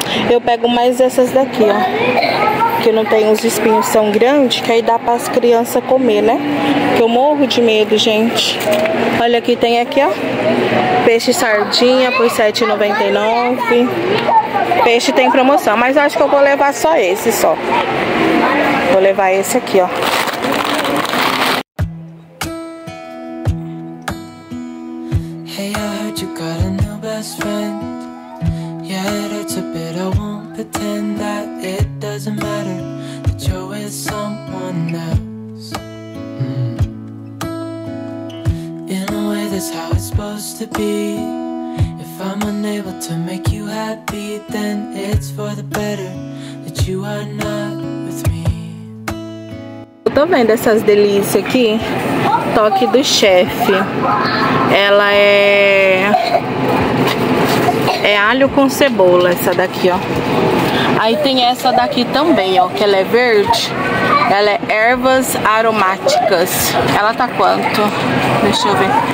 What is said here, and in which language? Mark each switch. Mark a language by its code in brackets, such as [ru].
[pt] Eu pego mais essas daqui, ó. Que não tem os espinhos tão grandes, que aí dá para as crianças comer, né? Que eu morro de medo, gente. Olha aqui, tem aqui, ó. Peixe sardinha por R$7,99. Peixe tem promoção, mas acho que eu vou levar só esse, só. Vou levar esse aqui, ó. [en] Hey, I heard you got a new best friend. Yeah, it hurts a bit, I won't pretend that it doesn't matter that you're with someone else. In a way, that's how it's supposed to be. If I'm unable to make you happy, then it's for the better that you are not with me. [pt] Eu tô vendo essas delícias aqui. Toque do chefe. Ela é... é alho com cebola, essa daqui, ó. Aí tem essa daqui também, ó, que ela é verde. Ela é ervas aromáticas. Ela tá quanto? Deixa eu ver.